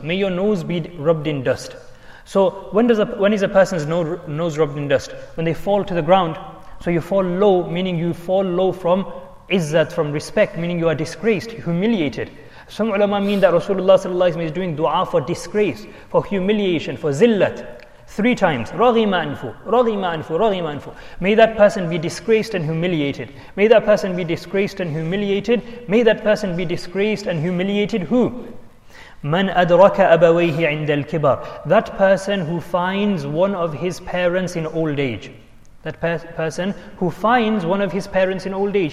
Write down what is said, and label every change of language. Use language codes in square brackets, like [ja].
[en] May your nose be rubbed in dust. So when is a person's nose rubbed in dust? When they fall to the ground. So you fall low, meaning you fall low from izzat, from respect, meaning you are disgraced, humiliated. Some ulama mean that Rasulullah sallallahu alayhi wa sallam is doing dua for disgrace, for humiliation, for zillat. Three times, [ar] رَغِمَ أَنْفُ, رَغِمَ أَنْفُ, رَغِمَ أَنْفُ. [en] May that person be disgraced and humiliated. May that person be disgraced and humiliated. May that person be disgraced and humiliated. Who? [ar] مَنْ أَدْرَكَ أَبَوَيْهِ عِنْدَ الْكِبَرِ. [en] That person who finds one of his parents in old age. That person who finds one of his parents in old age.